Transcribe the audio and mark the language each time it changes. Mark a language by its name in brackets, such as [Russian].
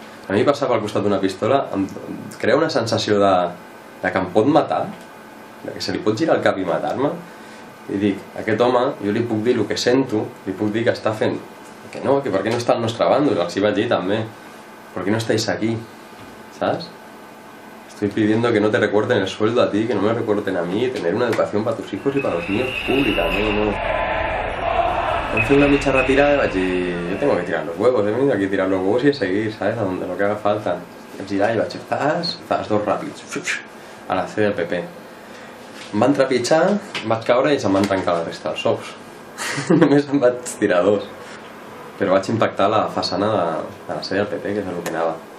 [Catalan] A mi passar pel costat d'una pistola em crea una sensació de que em pot matar, de que se li pot girar el cap i matar-me. I dic, aquest home, jo li puc dir el que sento, li puc dir que està fent... Que no, que per què no està al nostre bando, els hi vaig dir també. Per què no estàs aquí, saps? [Spanish] Estoy pidiendo que no te recorten el sueldo a ti, que no me recorten a mí, tener una educación para tus hijos y para los míos pública, no, no. [Catalan] Vam fer una mitja retirada i vaig dir, [Spanish] jo tengo que tirar los huevos, he venido aquí a tirar los huevos y a seguir, ¿sabes? A donde lo que haga falta. [Catalan] Vam girar i vaig dir, zas, dos ràpids, a la C del PP. Em van trepitjar, em vaig caure i se'm van trencar la resta dels ous. Només em vaig tirar dos. Però vaig impactar la façana de la C del PP, que és el que anava.